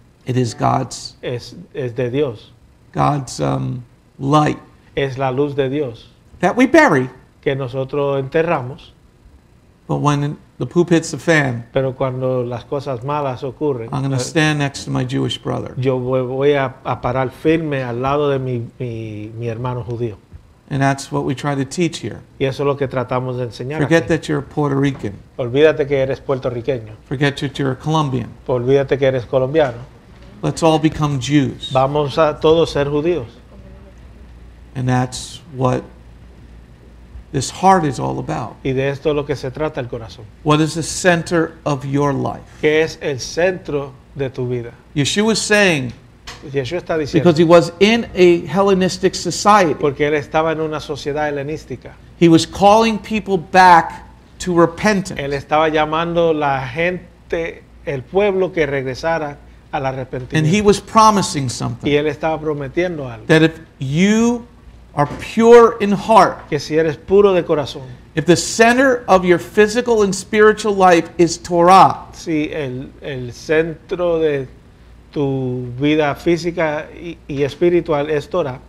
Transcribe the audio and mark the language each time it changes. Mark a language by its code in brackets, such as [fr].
[en] It is God's. [es] Es de Dios. [en] God's light. [es] Es la luz de Dios. [en] That we bury. [es] Que nosotros enterramos. [en] But when the poop hits the fan, [es] pero cuando las cosas malas ocurren, [en] I'm going to stand next to my Jewish brother. [es] Yo voy a parar firme al lado de mi hermano judío. [en] And that's what we try to teach here. [es] Y eso es lo que tratamos de enseñar. [en] Forget that you're Puerto Rican. [es] Olvídate que eres puertorriqueño. [en] Forget that you're a Colombian. [es] Olvídate que eres colombiano. [en] Let's all become Jews. [es] Vamos a todos ser judíos. [en] And that's what this heart is all about. [es] Y de esto lo que se trata el corazón. [en] What is the center of your life? [es] ¿Qué es el centro de tu vida? [en] Yeshua is saying, [es] Yeshua está diciendo, [en] because he was in a Hellenistic society, [es] porque él estaba en una sociedad helenística, [en] he was calling people back to repentance. [es] Él estaba llamando la gente, el pueblo que regresara al arrepentimiento. [en] And he was promising something. [es] Y él estaba prometiendo algo. [en] That if you are pure in heart, [es] que si eres puro de corazón, [en] if the center of your physical and spiritual life is Torah, [es] si el centro de tu vida física y espiritual es Torah,